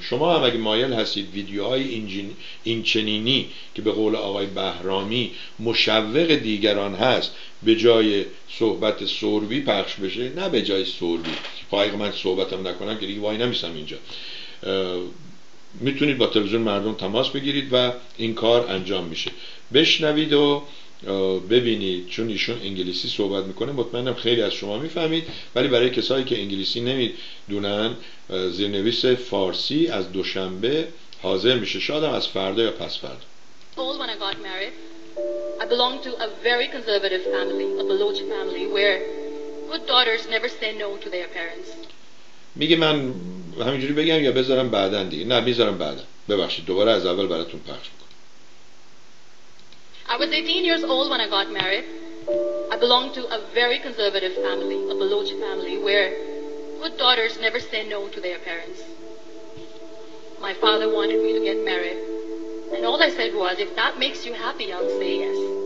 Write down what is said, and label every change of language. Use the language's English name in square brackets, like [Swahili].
[Persian] شما هم اگه مایل هستید ویدیوهای این چنینی که به قول آقای بهرامی مشوق دیگران هست به جای صحبت سوربی پخش بشه، نه به جای سوربی، خواهی که من صحبتم نکنم که دیگه وای نمیسم اینجا، میتونید با تلویزیون مردم تماس بگیرید و این کار انجام میشه. بشنوید و ببینید، چون ایشون انگلیسی صحبت میکنه مطمئنم خیلی از شما میفهمید، ولی برای کسایی که انگلیسی نمیدونن زیرنویس فارسی از دوشنبه حاضر میشه، شاید هم از فردا یا پس فردا. [English] When I got married I belonged to a very conservative family, a Baloch family where good daughters never say no to their parents. [Persian] میگه من همینجوری بگم یا بذارم بعدن دیگه؟ نه میذارم بعدن، ببخشید دوباره از اول براتون پخش میکنم. [English] I was 18 years old when I got married. I belonged to a very conservative family, a Baloch family, where good daughters never say no to their parents. My father wanted me to get married, and all I said was, if that makes you happy, I'll say yes.